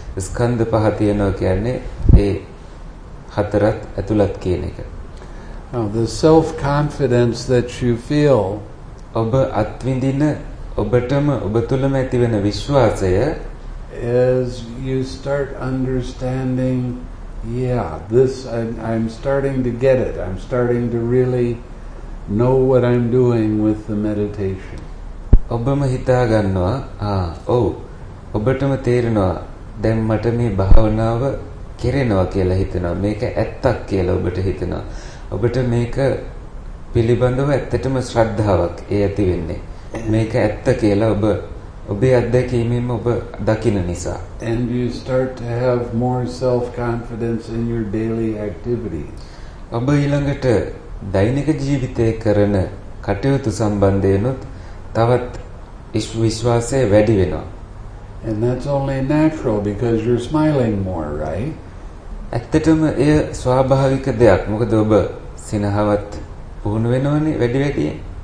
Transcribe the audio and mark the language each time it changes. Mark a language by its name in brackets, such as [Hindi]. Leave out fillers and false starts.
[Sinhala] ස්කන්ධ පහ තියෙනවා කියන්නේ ඒ හතරත් ඇතුළත් කියන එක. [English] Now the self-confidence that you feel [Sinhala] ඔබ අත්විඳින ඔබටම ඔබ තුළම ඇතිවන විශ්වාසය [English] as you start understanding yeah this I'm starting to get it I'm starting to really know what I'm doing with the meditation. [Sinhala] ඔබම හිතා ගන්නවා ඔව් ඔබටම තේරෙනවා දැන් මට මේ භාවනාව කෙරෙනවා කියලා හිතනවා මේක ඇත්තක් කියලා ඔබට හිතනවා ඔබට මේක පිළිබඳව ඇත්තටම ශ්‍රද්ධාවක් ඒ ඇති වෙන්නේ මේක ඇත්ත කියලා ඔබ ඔබේ අත්දැකීමෙන් ඔබ දකින නිසා [English] and you start to have more self confidence in your daily activities [Sinhala] ඔබ ඊළඟට දෛනික ජීවිතයේ කරන කටයුතු සම්බන්ධයෙන්ුත් තවත් විශ්වාසය වැඩි වෙනවා [English] And that's only natural because you're smiling more, right? [Sinhala] ඇත්තටම එය ස්වාභාවික දෙයක්. මොකද ඔබ සිනහවත් පුහුණු වෙනවනේ වැඩි වැඩියෙන්.